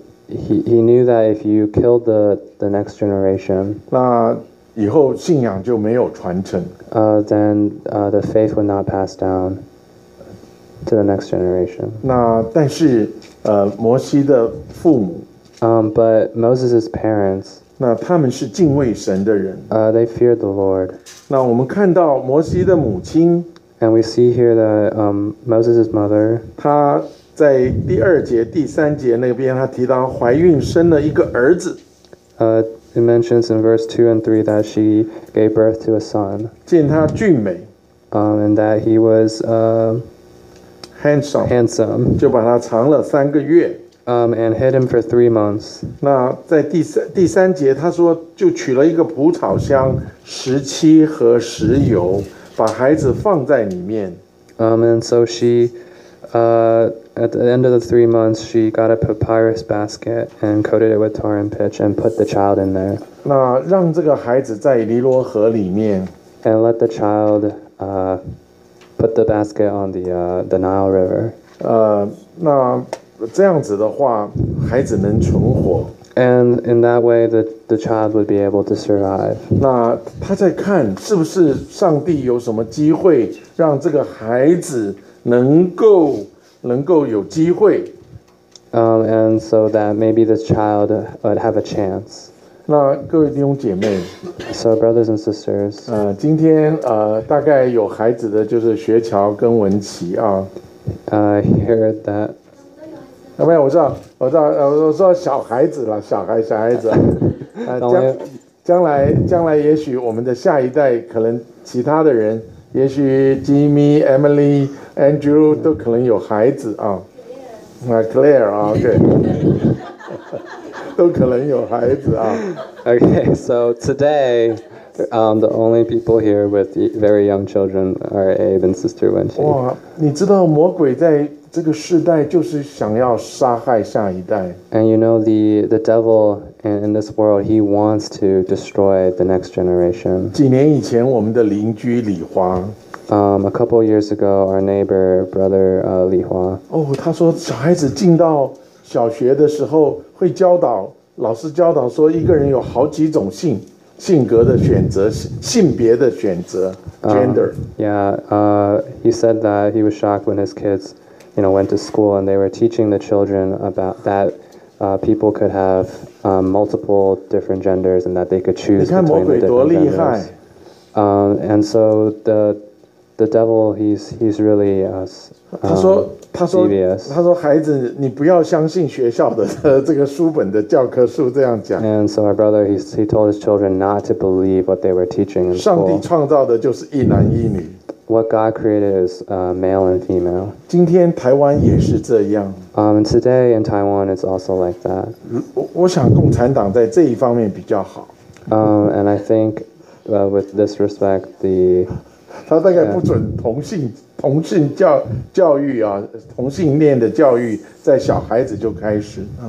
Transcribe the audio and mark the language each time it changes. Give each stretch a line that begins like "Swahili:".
English: He knew that if you killed the next generation,
Chinese: 那以后信仰就没有传承。
English: The faith would not pass down to the next generation.
Chinese: 那但是摩西的父母。
English: But Moses's parents.
Chinese: 那他们是敬畏神的人。
English: They feared the Lord.
Chinese: 那我们看到摩西的母亲。
English: And we see here that Moses's mother.
Chinese: 她在第二节、第三节那边，他提到怀孕生了一个儿子。
English: It mentions in verse 2 and 3 that she gave birth to a son.
Chinese: 见他俊美。
English: And that he was handsome.
Chinese: 就把他藏了三个月。
English: And hid him for 3 months.
Chinese: 那在第三节，他说就取了一个蒲草箱、石漆和石油，把孩子放在里面。
English: And so she. At the end of the 3 months, she got a papyrus basket and coated it with tar and pitch and put the child in there.
Chinese: 那让这个孩子在尼罗河里面。
English: And let the child put the basket on the Nile River.
Chinese: 那这样子的话，孩子能存活。
English: And in that way, the child would be able to survive.
Chinese: 那他在看是不是上帝有什么机会让这个孩子能够有机会。
English: And so that maybe this child would have a chance.
Chinese: 那各位弟兄姐妹。
English: So brothers and sisters.
Chinese: 今天大概有孩子的就是学乔跟文琪啊。
English: Heard that.
Chinese: 有没有，我知道小孩子了，小孩子。将来也许我们的下一代可能其他的人。也许 Jimmy, Emily, Andrew 都可能有孩子啊。 Claire 啊，对。都可能有孩子啊。
English: Okay, so today, the only people here with very young children are Abe and Sister Wenxi.
Chinese: 哇，你知道魔鬼在这个世代就是想要杀害下一代。
English: And you know, the devil in this world, he wants to destroy the next generation.
Chinese: 几年以前我们的邻居李华。
English: A couple years ago, our neighbor, brother, 李华。
Chinese: 哦，他说小孩子进到小学的时候会教导，老师教导说一个人有好几种性格的选择，性别的选择 ,gender.
English: He said that he was shocked when his kids,you know, went to school and they were teaching the children about that people could have multiple different genders and that they could choose between the different genders. And so the devil, he's really
Chinese: 他说他说
English: CBS.
Chinese: 他说孩子你不要相信学校的这个书本的教科书这样讲。
English: And so my brother he told his children not to believe what they were teaching in school.
Chinese: 上帝创造的就是一男一女。
English: What God created is male and female.
Chinese: 今天台湾也是这样。
English: Today in Taiwan it's also like that.
Chinese: 我想共产党在这一方面比较好。
English: And I think with this respect the
Chinese: 他大概不准同性。同性 教育啊，同性恋的教育在小孩子就开始。